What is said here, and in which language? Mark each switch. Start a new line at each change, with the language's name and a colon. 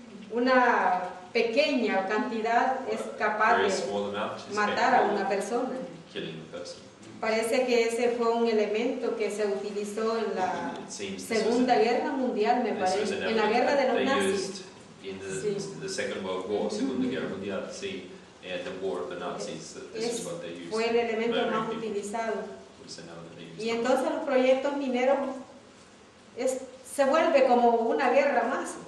Spanish: una pequeña cantidad es capaz de matar a una persona. Parece que ese fue un elemento que se utilizó en la Segunda Guerra Mundial, me parece, en la guerra de los nazis.
English: In the Second World War,
Spanish: Segunda Guerra Mundial, sí,
English: at the War of the Nazis, this is what they used.
Spanish: Fue el elemento más utilizado. Y entonces los proyectos mineros se vuelve como una guerra más.